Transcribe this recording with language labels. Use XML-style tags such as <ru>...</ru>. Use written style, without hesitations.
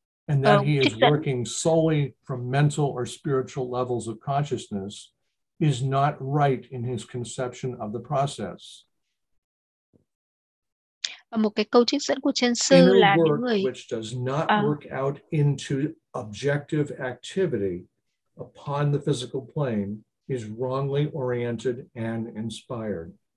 <en>and that he is working solely from mental or spiritual levels of consciousness is not right in his conception of the process.</en> <vi>Và một cái câu trích dẫn của chân sư là những người</vi> <en>which does not work out into objective activity upon the physical plane is wrongly oriented and inspired.</en>